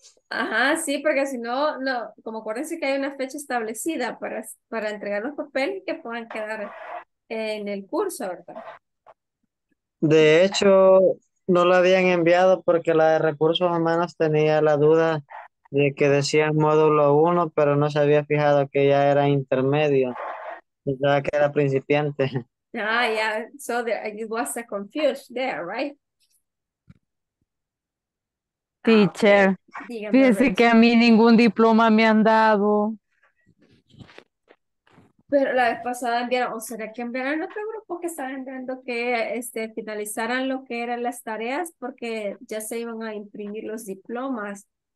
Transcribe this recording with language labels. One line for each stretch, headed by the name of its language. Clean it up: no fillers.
Spanish: Ajá, sí, porque si no, no, como acuérdense que hay una fecha establecida para entregar los papeles y que puedan quedar en el curso, ¿verdad? De hecho, no lo habían enviado porque la de Recursos Humanos tenía la duda de que decía módulo 1, pero no se había fijado que ya era intermedio, ya que era principiante.
English: Ah, yeah, so there, it was a confused there, right?
Spanish: Teacher, fíjese que a mí ningún diploma me han dado. Pero la vez pasada enviaron, o será que enviaron otro grupo que estaban enviando que este, finalizaran lo que eran las tareas porque ya se iban a imprimir los diplomas.